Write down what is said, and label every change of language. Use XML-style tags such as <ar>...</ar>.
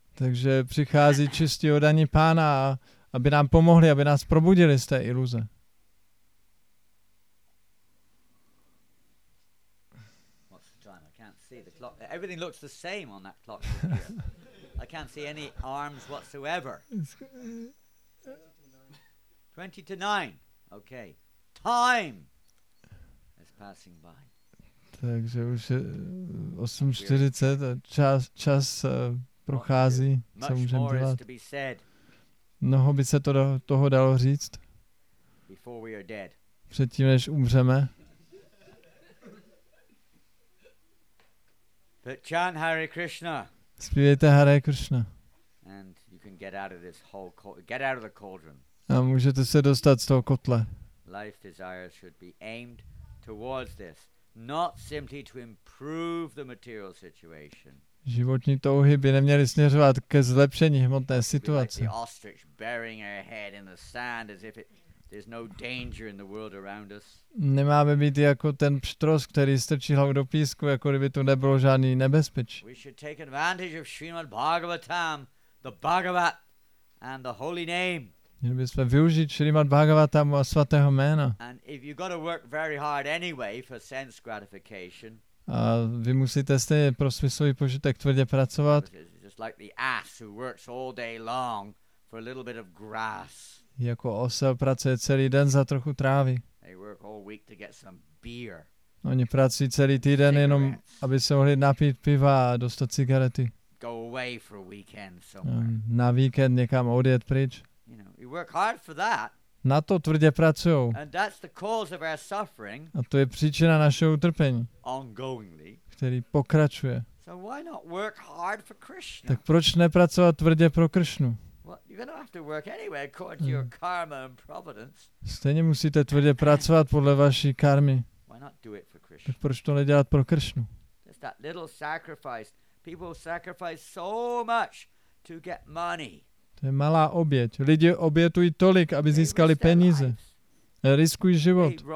<cs>Takže přichází čistí oddaní Pána, aby nám pomohli, aby nás probudili z té iluze.</cs> <en>What's the time? I can't see the clock. Everything looks the same on that clock. Here. I can't see any arms whatsoever. 20 to 9. Okay. Time is passing by.</en> <cs>Takže už je 8:40 a čas prochází. Co můžeme dělat? Mnoho by se toho dalo říct.</cs> <en>Before we are dead.</en> <cs>Předtím, než umřeme.</cs> <en>But chant Hare Krishna.</en> <cs>Zpívejte Hare Krishna.</cs> <en>And you can get out of this whole get out of the cauldron.</en> <cs>A můžete se dostat z toho kotle.</cs> <en>Life desires should be aimed towards this, not simply to improve the material situation.</en> <cs>Životní touhy by neměly směřovat ke zlepšení hmotné situace.</cs> <en>Like the ostrich burying her head in the sand as if it There's no danger in the world around us.</en> <cs>Nemáme být jako ten pštros, který strčí hlavu do písku, jako kdyby tu nebylo žádný nebezpečí.</cs> <en>We should take advantage of Srimad Bhagavatam, the Bhagavat and the holy name.</en> <cs>Měli bychom využít Srimad Bhagavatam a svatého jména.</cs> <en>And if you got to work very hard anyway for sense gratification.</en> <cs>A vy musíte stejně pro svůj svůj požitek tvrdě pracovat.</cs> <en>Just like the ass who works all day long for a little bit of grass.</en> <cs>Jako osel pracuje celý den za trochu trávy.</cs> <en>They work all week to get some beer.</en> <cs>Oni pracují celý týden jenom, aby se mohli napít piva a dostat cigarety.</cs> <en>Go away for a weekend somewhere.</en> <cs>Na víkend někam odjet pryč.</cs> <en>You know, we work hard for that.</en> <cs>Na to tvrdě pracují.</cs> <en>And that's the cause of our suffering.</en> <cs>A to je příčina našeho utrpení.</cs> <en>Ongoingly.</en> <cs>Který pokračuje.</cs> <en>So why not work hard for Krishna?</en> <cs>Tak proč nepracovat tvrdě pro Krishnu?</cs> <en>Well, you're gonna have to work anyway according to your karma and providence.</en> <cs>Stejně musíte tvrdě pracovat podle vaší karmy.</cs> <en>Why not do it for Krishna?</en> <cs>Tak proč to nedělat pro Krishnu?</cs> <en>Just that little sacrifice. People sacrifice so much to get money.</en> <cs>To je malá oběť. Lidi obětují tolik, aby získali peníze. Riskují život.</cs>